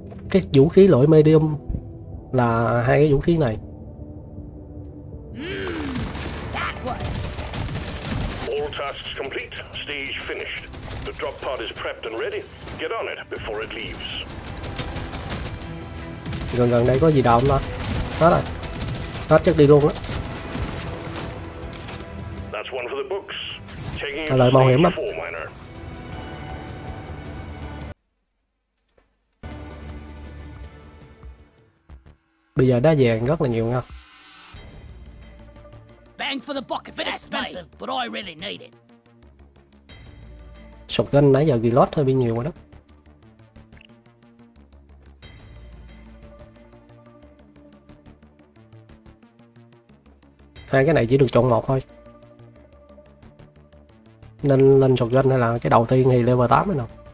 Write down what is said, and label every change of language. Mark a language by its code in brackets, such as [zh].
[vi] Cái vũ khí loại medium là hai cái vũ khí này. [en] All tasks complete, stage finished. The drop pod is prepped and ready. Get on it before it leaves. [vi] Gần gần đây có gì đâu mà. Hết rồi. Hết chắc đi luôn á. [en] That's one for the books. [vi] Lời mạo hiểm lắm. Bây giờ đá vàng rất là nhiều nha. [en] Bang for the buck if it's expensive, but I really need it. [vi] Shotgun nãy giờ reload hơi bị nhiều rồi đó. Hai cái này chỉ được chọn một thôi. Nên lên shotgun hay là cái đầu tiên thì level 8 hay nào?